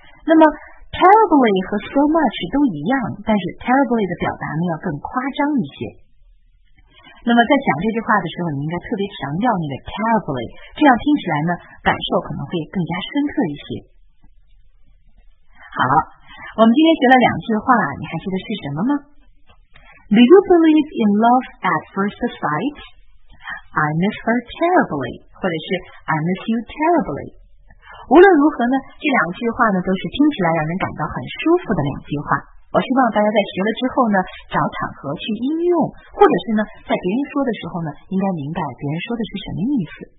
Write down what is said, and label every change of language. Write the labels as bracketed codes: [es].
[zh] 那么 terribly 和 so much 都一样，但是 terribly 的表达呢要更夸张一些。那么在讲这句话的时候，你应该特别强调那个 terribly， 这样听起来呢感受可能会更加深刻一些。好，我们今天学了两句话，你还记得是什么吗？ [en] Do you believe in love at first sight? I miss her terribly. [zh] 或者是 [en] I miss you terribly. [zh] 无论如何呢，这两句话呢都是听起来让人感到很舒服的两句话。我希望大家在学了之后呢找场合去应用，或者是呢在别人说的时候呢应该明白别人说的是什么意思。